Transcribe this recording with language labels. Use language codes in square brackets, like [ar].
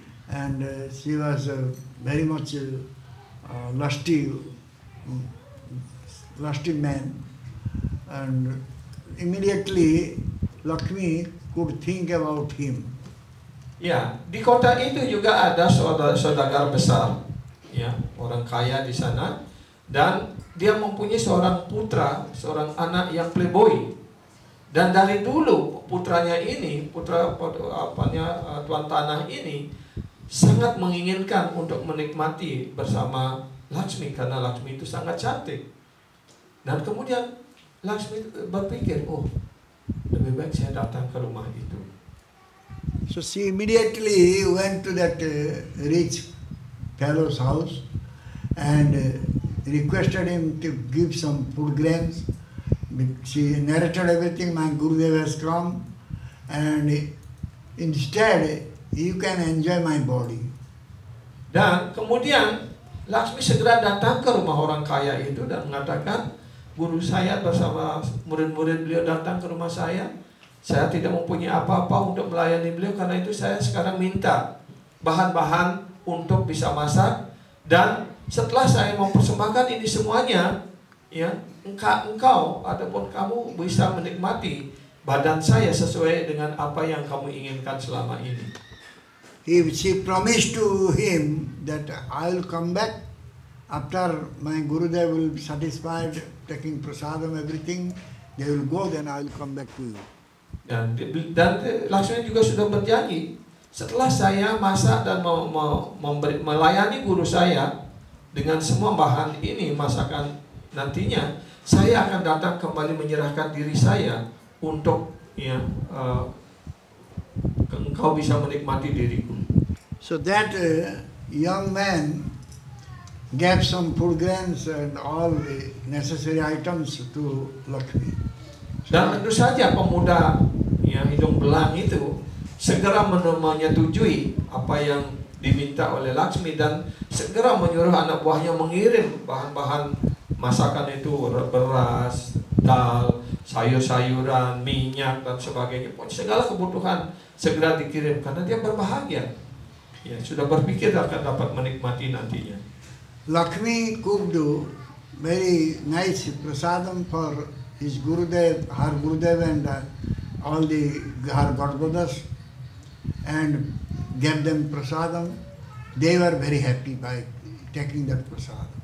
[en] And she was very much lusty man, and immediately Lakshmi could think about him. [id] Ya, di kota itu juga ada saudagar besar, ya, orang kaya di sana, dan dia mempunyai seorang putra, seorang anak yang playboy, dan dari dulu putranya ini, putra apanya, tuan tanah ini sangat menginginkan untuk menikmati bersama Lakshmi karena Lakshmi itu sangat cantik. Dan kemudian Lakshmi berpikir, oh, lebih baik saya datang ke rumah itu. [en] So she immediately went to that rich fellow's house and requested him to give some food grains. She narrated everything, my Gurudev has come, and instead you can enjoy my body. [id] Dan kemudian Lakshmi segera datang ke rumah orang kaya itu dan mengatakan, guru saya bersama murid-murid beliau datang ke rumah saya. Saya tidak mempunyai apa-apa untuk melayani beliau, karena itu saya sekarang minta bahan-bahan untuk bisa masak. Dan setelah saya mempersembahkan ini semuanya, ya, engkau ataupun kamu bisa menikmati badan saya sesuai dengan apa yang kamu inginkan selama ini. [en] She promised to him that I will come back after my Gurudev will be satisfied taking prasadam everything. They will go, then I will come back to you. [id] Dan Lakshmi juga sudah berjanji, setelah saya masak dan melayani guru saya dengan semua bahan ini masakan nantinya, saya akan datang kembali menyerahkan diri saya untuk ya, engkau bisa menikmati diriku. [en] So that young man gave some food grains and all the necessary items to Lakshmi. [id] Dan tentu saja pemuda yang hidung belang itu segera menyetujui apa yang diminta oleh Lakshmi dan segera menyuruh anak buahnya mengirim bahan-bahan masakan itu, beras, dal, sayur-sayuran, minyak dan sebagainya. Pokoknya segala kebutuhan segera dikirim karena dia berbahagia. Ya, sudah berpikir akan dapat menikmati nantinya. [en] Lakshmi cooked very nice prasadam for his Gurudev, her Gurudev and all the her godbrothers, and gave them prasadam. They were very happy by taking that prasadam.